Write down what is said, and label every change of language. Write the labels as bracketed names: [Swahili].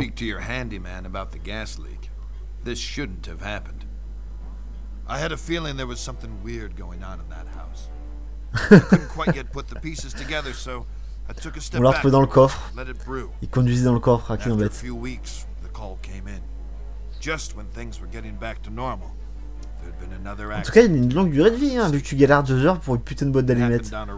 [English] I'll need to speak to your handyman about the gas leak. This shouldn't have happened. I had a feeling there was something weird going on in that house. I couldn't quite yet put the pieces together, so I took a step back. [French] On l'a retrouvé dans le coffre. Il conduisait dans le coffre, à qui en bête. [English] A few weeks, the call came in. Just when things were getting back to normal. [French] En tout cas, il y a une longue durée de vie, hein, vu que tu galères deux heures pour une putain de boîte d'allumettes.